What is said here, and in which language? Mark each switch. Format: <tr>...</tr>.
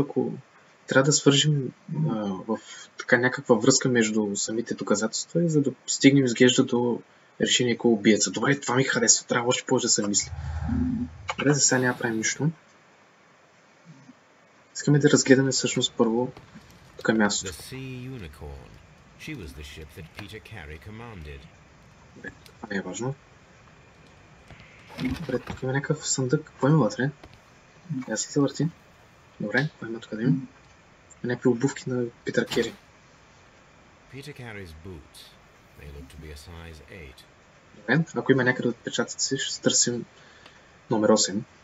<bg>ако трябва да свържим в така някаква връзка между самите доказателства и за да стигнем изглежда до решение кой убиеца. Добре, това ми харесва. Трябва още повече да се мисли. Добре, за сега няма правим нищо. Искаме да разгледаме всъщност първо тук мястото.</bg> <en>The Sea Unicorn. She was the ship that Peter Carey commanded.</en> <bg>Добре, това не е важно. Добре, тук има някакъв съндък. Кво има вътре? Я се върти. Добре, кой има тук да има? Някакви обувки на Питър Кери.</bg> <en>Peter Carey's boots. They look to be a size 8.</en> <bg>Добре, ако има някъде отпечатъци, ще търсим номер 8.</bg>